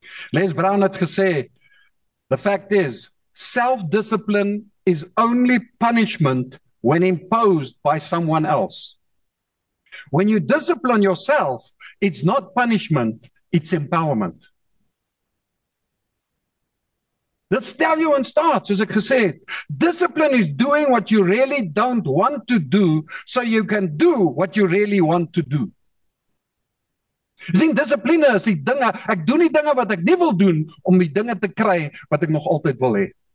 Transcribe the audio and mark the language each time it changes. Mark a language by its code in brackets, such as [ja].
[en] Les Brown [af] het gesê, [en] the fact is, self-discipline is only punishment when imposed by someone else. When you discipline yourself, it's not punishment, it's empowerment. [af] Dit stel jou in staat, soos ek gesê het. [en] Discipline is doing what you really don't want to do, so you can do what you really want to do. [af] Sien, discipline is die dinge, ek doen die dinge wat ek nie wil doen, om die dinge te kry wat ek nog altyd wil hê.